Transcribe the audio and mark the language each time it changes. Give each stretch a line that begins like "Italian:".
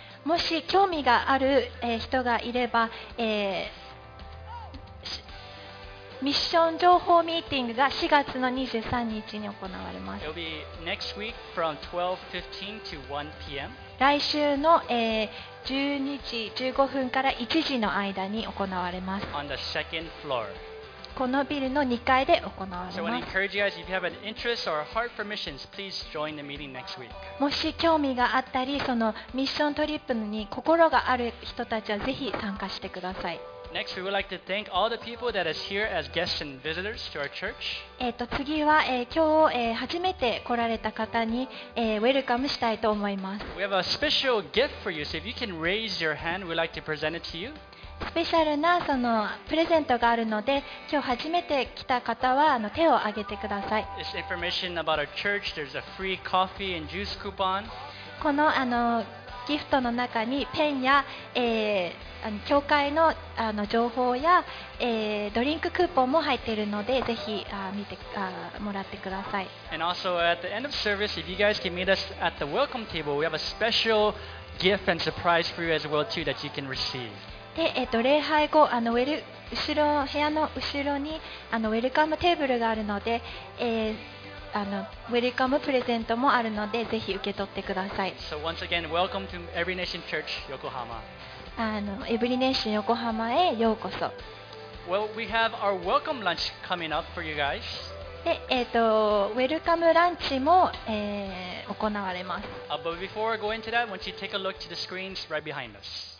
Japanese: もし興味がある、人がいれば、ミッション情報ミーティングが4月の23日に行われます。
English: It'll be next week from 12:15 to 1 p.m.
Japanese: 来週の、12時15分から1時の間に行われます。
English: On the second floor.
Japanese: このビルの2階で行われます。
English: So I encourage you guys, if you have an interest or a heart for missions, please join the meeting next week.
Japanese: もし興味があったり、そのミッショントリップに心がある人たちはぜひ参加してください。
English: Next, we would like to thank all the people that is here as guests and visitors to our church.
Japanese: 次は、今日、初めて来られた方に、ウェルカムしたいと思います。
English: We have a special gift for you, so if you can raise your hand, we'd like to present it to you.
Japanese: スペシャルなそのプレゼントがあるので、今日初めて来た方はあの手を挙げてください。
English: This information about our church. There's a free coffee and juice coupon.
Japanese: この、 あのギフトの中にペンや、教会 の、 あの情報や、ドリンククーポンも入っているので、ぜひ見てもらってください。
English: And also at the end of service, if you guys can meet us at the welcome table, we have a special gift and surprise for you as well too that you can receive.
Japanese: で礼拝後あのウェル後ろ部屋の後ろにあのウェルカムテーブルがあるので、あのウェルカムプレゼントもあるのでぜひ受け取ってください。
English: So once again, welcome to Every Nation Church Yokohama.
Japanese: あのエブリネーション横浜へようこそ。
English: Well, we have our welcome lunch coming up for you guys.
Japanese: で、ウェルカムランチも、行われます。
English: But before I go into that, why don't you take a look to the screens right behind us?